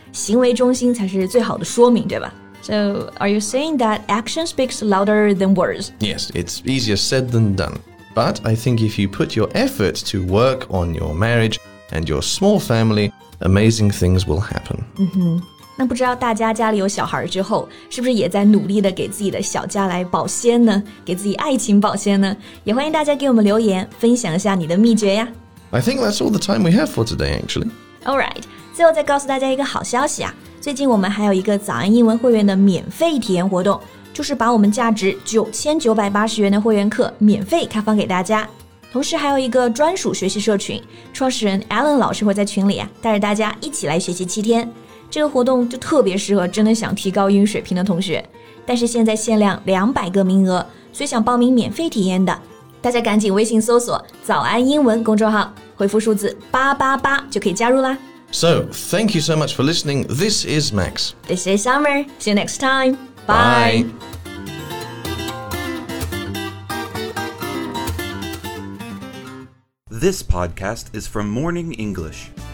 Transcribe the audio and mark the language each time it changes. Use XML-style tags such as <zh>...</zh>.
<zh>行为中心才是最好的说明对吧</zh> <en>So, are you saying that action speaks louder than words? Yes, it's easier said than done. But I think if you put your effort to work on your marriage and your small family, amazing things will happen.</en> <zh>那不知道大家家里有小孩之后是不是也在努力的给自己的小家来保鲜呢给自己爱情保鲜呢也欢迎大家给我们留言分享一下你的秘诀呀</zh> <en>I think that's all the time we have for today, actually. All right.</en> <zh>最后再告诉大家一个好消息啊最近我们还有一个早安英文会员的免费体验活动就是把我们价值9980元的会员课免费开放给大家同时还有一个专属学习社群创始人 Alan 老师会在群里啊带着大家一起来学习7天这个活动就特别适合真的想提高英语水平的同学但是现在限量200个名额所以想报名免费体验的大家赶紧微信搜索早安英文公众号回复数字888就可以加入啦</zh> <en>So, thank you so much for listening. This is Max. This is Summer. See you next time. Bye. Bye. This podcast is from Morning English.</en>